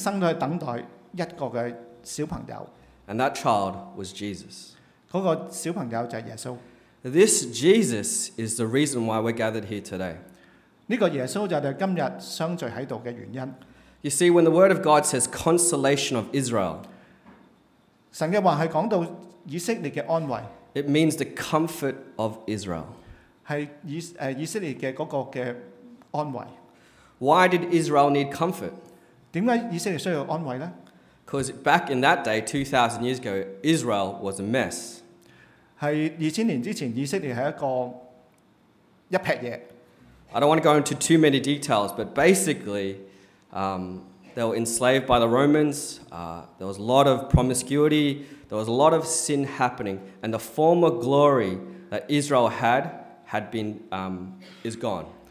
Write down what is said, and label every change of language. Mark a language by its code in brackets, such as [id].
[yue] 他整生都係等待一個嘅小朋友。 [en] And that child was Jesus. [yue] 嗰個小朋友就係耶穌。 [en] This Jesus is the reason why we're gathered here today. [yue] 呢個耶穌就係今日相聚喺度嘅原因。 [en] You see, when the Word of God says consolation of Israel, [yue] 神嘅話係講到以色列嘅安慰, [en] it means the comfort of Israel. [yue] 係以色列嘅嗰個嘅安慰。 [en] Why did Israel need comfort? [yue] 點解以色列需要安慰呢? [en] Because back in that day, 2,000 years ago, Israel was a mess. [yue] 係2,000年之前，以色列係一個一撇嘢。 [en] I don't want to go into too many details, but basically, they were enslaved by the Romans. There was a lot of promiscuity. There was a lot of sin happening. And the former glory that Israel had been, is gone.